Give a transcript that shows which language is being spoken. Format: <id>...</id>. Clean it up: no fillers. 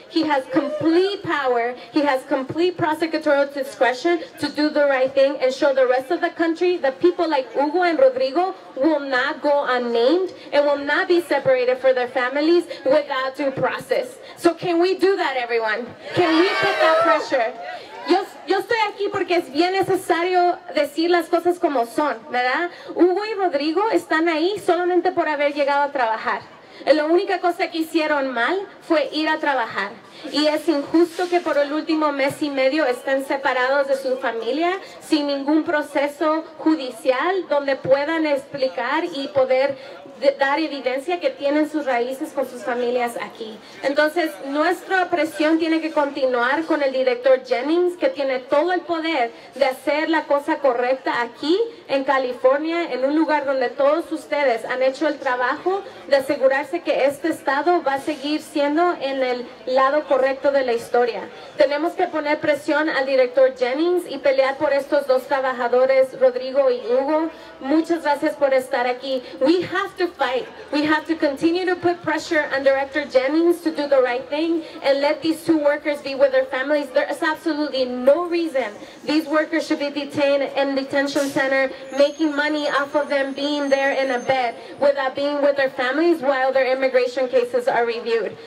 <en>He has complete power, he has complete prosecutorial discretion to do the right thing and show the rest of the country that people like Hugo and Rodrigo will not go unnamed and will not be separated from their families without due process. So can we do that, everyone? Can we put that pressure?</en> <es>Yo estoy aquí porque es bien necesario decir las cosas como son, ¿verdad? Hugo y Rodrigo están ahí solamente por haber llegado a trabajar. La única cosa que hicieron mal fue ir a trabajar. Y es injusto que por el último mes y medio estén separados de su familia sin ningún proceso judicial donde puedan explicar y poder dar evidencia que tienen sus raíces con sus familias aquí. Entonces, nuestra presión tiene que continuar con el director Jennings, que tiene todo el poder de hacer la cosa correcta aquí en California, en un lugar donde todos ustedes han hecho el trabajo de asegurarse que este estado va a seguir siendo en el lado correcto de la historia. Tenemos que poner presión al director Jennings y pelear por estos dos trabajadores, Rodrigo y Hugo. Muchas gracias por estar aquí.</es> <en>We have to fight. We have to continue to put pressure on Director Jennings to do the right thing and let these two workers be with their families. There is absolutely no reason these workers should be detained in detention center, making money off of them being there in a bed without being with their families while their immigration cases are reviewed.</en>